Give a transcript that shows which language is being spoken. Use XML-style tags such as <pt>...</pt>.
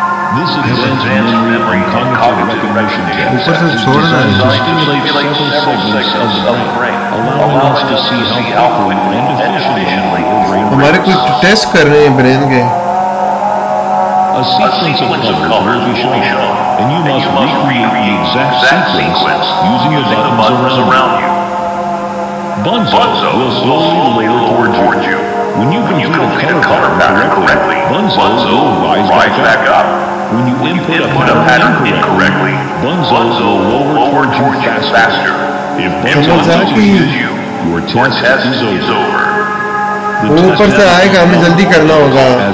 <en>This is advanced memory cognitive recognition test. This is designed to stimulate several segments of the brain, allowing us to see how alpha and beta function handling the brain.</en> <hi>हमारे कुछ test कर रहे हैं brain के।</hi> <en>A sequence of colors will be shown, and you must recreate the exact sequence using your buttons around you. Bunzo will slowly ladle towards you. When you complete a color pattern correctly, Bunzo will rise back up. When you input a pattern incorrectly, Bunzo will lower towards you faster. If Bunzo misses you, your test is over.</en> <hi>ऊपर से आएगा, हमें जल्दी करना होगा।</hi>